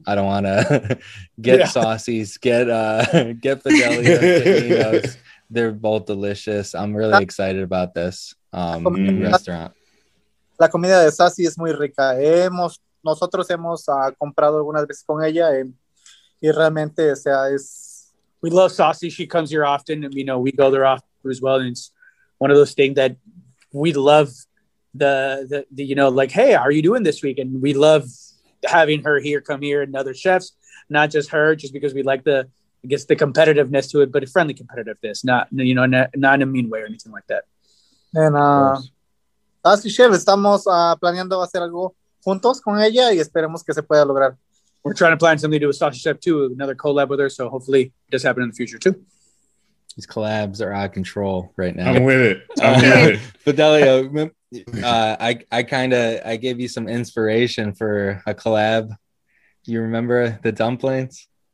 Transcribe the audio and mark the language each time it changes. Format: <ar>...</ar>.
<en>I don't want to get Saucies, get Fidelia. They're both delicious. I'm really excited about this restaurant.</en> <es>La comida de Saucy es muy rica. Nosotros hemos comprado algunas veces con ella, y realmente, o sea, es...</es> <en>We love Saucy. She comes here often, and you know, we go there often as well. And it's one of those things that we love. The you know, like, hey, are you doing this week? And we love having her here, come here, and other chefs, not just her, just because we like the, I guess, the competitiveness to it, but a friendly competitiveness, not, you know, not in a mean way or anything like that.</en> <es>And Saucy Chef, estamos planeando hacer algo juntos con ella, y esperemos que se pueda lograr.</es> <en>We're trying to plan something to do with Saucy Chef too, another collab with her, so hopefully it does happen in the future too. These collabs are out of control right now. I'm with it. Fidelia, I gave you some inspiration for a collab. You remember the dumplings?</en>